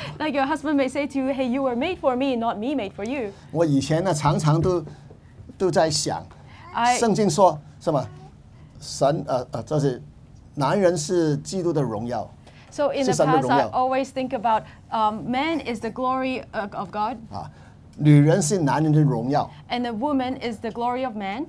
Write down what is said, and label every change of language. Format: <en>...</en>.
<en>Like your husband may say to you, "Hey, you were made for me, not me made for you."</en> <zh>我以前呢，常常都在想，圣经说什么？神就是男人是基督的荣耀。</zh> <en>So in the past, I always think about, man is the glory of God.</en> <zh>女人是男人的荣耀。</zh> <en>And the woman is the glory of man.</en>